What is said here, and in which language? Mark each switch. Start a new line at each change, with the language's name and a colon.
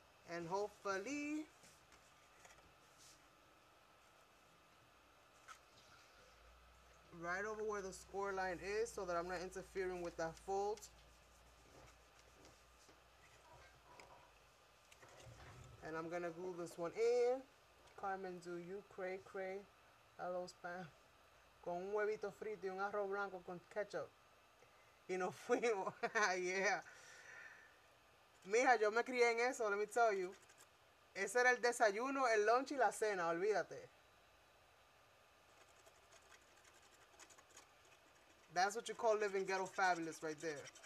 English: And hopefully, right over where the score line is, so that I'm not interfering with that fold. And I'm going to glue this one in. Carmen, do you cray cray? Hello, Spam.
Spanish: Con un huevito frito y un arroz blanco con ketchup. Y nos fuimos.
English: Yeah.
Spanish: Mija, yo me crié en eso,
English: let me tell you.
Spanish: Ese era el desayuno, el lunch y la cena, olvídate.
English: That's what you call living ghetto fabulous right there.